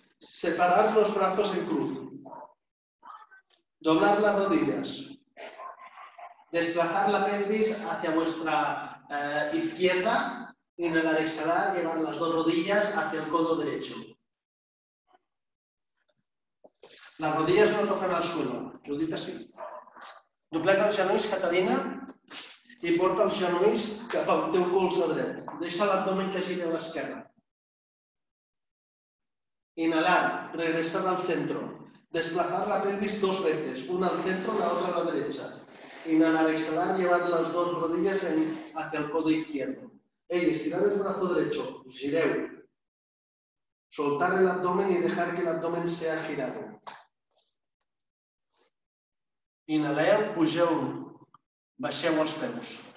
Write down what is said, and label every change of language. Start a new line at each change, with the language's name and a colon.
Catalan: Separar els braços en cruz. Doblar les rodilles.
Spanish: Desplazar la pelvis hacia vuestra izquierda, inhalar, exhalar, llevar las dos rodillas hacia el codo derecho. Las rodillas no tocan al suelo, Judith así.
Catalan: Doblega els genolls, Catalina, i porta els genolls cap al teu colze dret. Deixa l'abdomen que giri a l'esquerra.
Spanish: Inhalar, regresar al centro. Desplazar la pelvis dos veces, una al centro, la otra a la derecha. Inhalar, exhalar, llevar las dos rodillas hacia el codo izquierdo. Ey, estirar el brazo derecho, gireu. Soltar el abdomen y dejar que el abdomen sea girado.
Catalan: Inhaleu, pugeu, baixeu els peus.